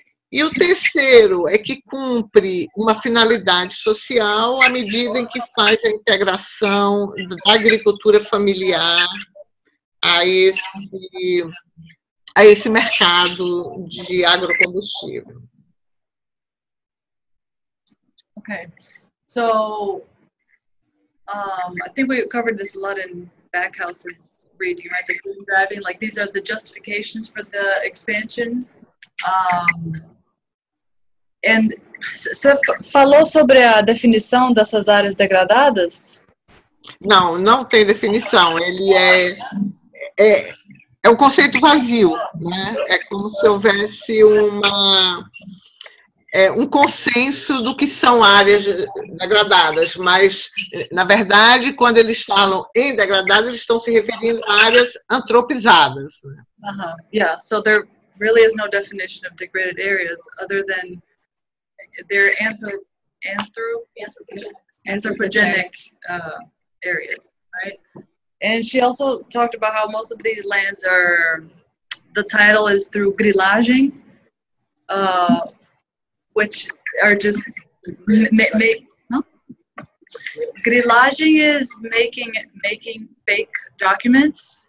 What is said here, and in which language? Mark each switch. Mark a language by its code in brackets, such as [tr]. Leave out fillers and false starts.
[pt] E o terceiro é que cumpre uma finalidade social à medida em que faz a integração da agricultura familiar a esse mercado de agrocombustível. [en] Ok. So, I think we covered this a lot in Backhouse's reading, right? The green driving, like these are the justifications for the expansion. And [pt] você falou sobre a definição dessas áreas degradadas? Não, não tem definição. Ele é um conceito vazio, né? É como se houvesse um consenso do que são áreas degradadas, mas, na verdade, quando eles falam em degradadas, eles estão se referindo a áreas antropizadas. Uh-huh. [en] Yeah, so there really is no definition of degraded areas, other than they're anthropogenic areas, right? And she also talked about how most of these lands are, the title is through grilagem, which are just grilagem is making fake documents.